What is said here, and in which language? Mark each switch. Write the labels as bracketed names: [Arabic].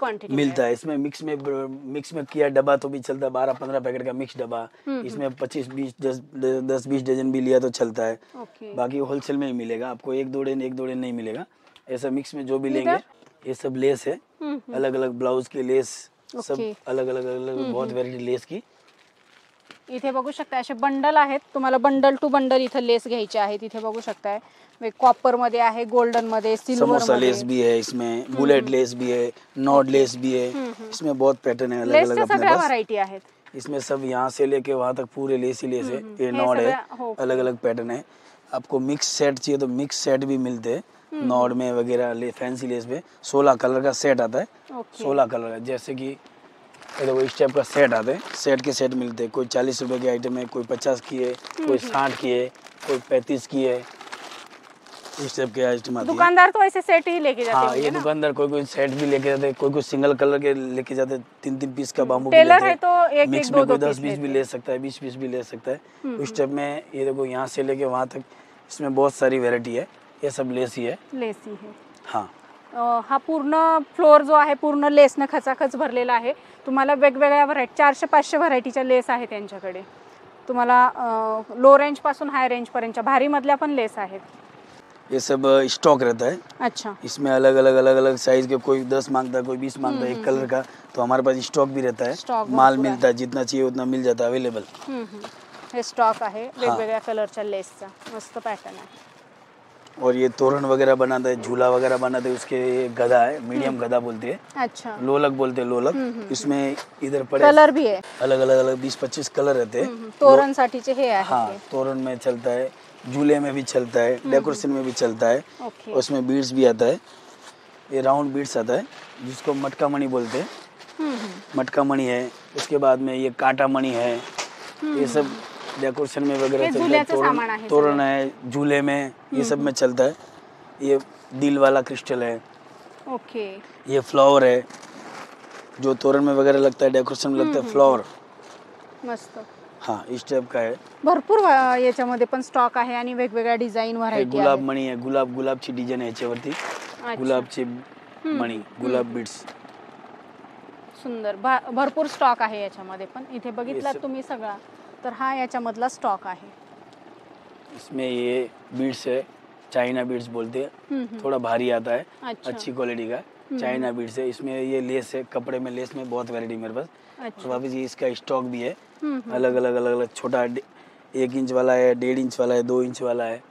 [Hindi] मिलता है इसमें मिक्स में किया डब्बा तो भी चलता है, 12-15 पैकेट का मिक्स डब्बा। इसमें 25-20, 10-20 डजन भी लिया तो चलता है। ओके। बाकी होलसेल में ही मिलेगा आपको, एक दो डजन नहीं मिलेगा ऐसा मिक्स में जो भी लेंगे। ये सब लेस है, अलग अलग ब्लाउज के लेस, सब अलग अलग अलग बहुत वेरायटी लेस की। [Marathi] इथे बघू शकता असे बंडल आहेत, तुम्हाला बंडल टू बंडल इथे लेस घ्यायचे आहेत, इथे बघू शकता आहे। कॉपर मध्ये आहे, गोल्डन मध्ये, सिल्वर मध्ये, समोसा [Hindi] लेस भी है, इसमें बुलेट लेस भी है, नॉट लेस भी है। इसमें बहुत पैटर्न है अलग अलग, [Marathi] सगळ्या व्हरायटी आहेत [Hindi] इसमें, सब यहाँ से लेके वहां तक पूरे लेस ही लेस है। ये नॉट है, अलग अलग पैटर्न है। आपको मिक्स सेट चाहिए तो मिक्स सेट भी मिलते हैं, नॉट में वगैरह, फैंसी लेस में 16 कलर का सेट आता है। 16 कलर का, जैसे की इस टाइप का सेट आते हैं, सेट के सेट मिलते हैं। कोई 40 रुपए की आइटम है, कोई 50 की है, कोई 60 की है, कोई 35 की है, इस टाइप के आइटम आते हैं। दुकानदार तो ऐसे सेट ही लेके जाते हैं। हाँ, ये दुकानदार कोई कोई सेट भी लेके जाते हैं, कोई कोई सिंगल कलर के लेके जाते हैं, 3-3 पीस का बाम्बू। टेलर है तो एक दो दो 10-20 भी ले सकता है, 20-20 भी ले सकता है उस टाइप में। ये देखो, यहाँ से लेके वहाँ तक इसमें बहुत सारी वेरायटी है, ये सब लेस ही है। हाँ, [Marathi] हा पूर्ण फ्लोर जो आहे पूर्ण लेसने खचाखच भरलेला आहे। तुम्हाला वेगवेगळ्या व्हरायटी, 400-500 व्हरायटीच्या लेस आहे त्यांच्याकडे। तुम्हाला लो रेंज पासून हाय रेंज पर्यंत भारी मधल्या पण लेस आहेत। [Hindi] ये सब स्टॉक रहता है। अच्छा। इसमें अलग अलग अलग अलग साइज के, कोई 10 मांगता है, कोई 20 मांगता है एक कलर का, तो हमारे पास स्टॉक भी रहता है, माल मिलता है, जितना चाहिए उतना मिल जाता है अवेलेबल। [Marathi] हे स्टॉक आहे वेगवेगळ्या कलरच्या लेसचा, मस्त पॅटर्न आहे। [Hindi] और ये तोरण वगैरह बनाता है, झूला वगैरह बनाते है, उसके गधा है, मीडियम गधा बोलते हैं। अच्छा। लोलक बोलते हैं लोलक। इसमें इधर पड़े कलर भी है, अलग अलग अलग 20-25 कलर रहते हैं। [Marathi] तोरण साठी चे हे आहे। [Hindi] हाँ, तोरण में चलता है, झूले में भी चलता है, डेकोरेशन में भी चलता है। ओके। उसमें बीड्स भी आता है, ये राउंड बीड्स आता है जिसको मटका मणि बोलते है, मटका मणि है। उसके बाद में ये कांटा मणि है, ये सब डेकोरेशन में वगैरह चलता है, तोरण है, झूले में, ये सब में चलता है। ये दिल वाला क्रिस्टल है। ओके। ये फ्लावर है जो तोरण में वगैरह लगता है, डेकोरेशन में लगता है फ्लावर। मस्त. हाँ इस टाइप का है. [Marathi] भरपूर याच्यामध्ये पण स्टॉक आहे आणि वेगवेगळ्या डिझाईन व्हरायटी आहे. गुलाब मणी आहे, गुलाबची डिझाईन आहे याच्यावरती. गुलाबची मणी, गुलाब बीड्स. सुंदर, भरपूर स्टॉक आहे याच्यामध्ये पण. इथे बघितलात तुम्ही सगळा तर हा याच्यामधला स्टॉक आहे. [Hindi] इसमें ये बीड्स है, चाइना बीड्स बोलते हैं, थोड़ा भारी आता है. अच्छा. अच्छी क्वालिटी का चाइना बीड्स है. इसमें ये लेस है, कपड़े में लेस में बहुत वैरायटी मेरे पास. अच्छा. वापस ये इसका स्टॉक भी है, अलग अलग अलग अलग, छोटा एक इंच वाला है, डेढ़ इंच वाला है, दो इंच वाला है.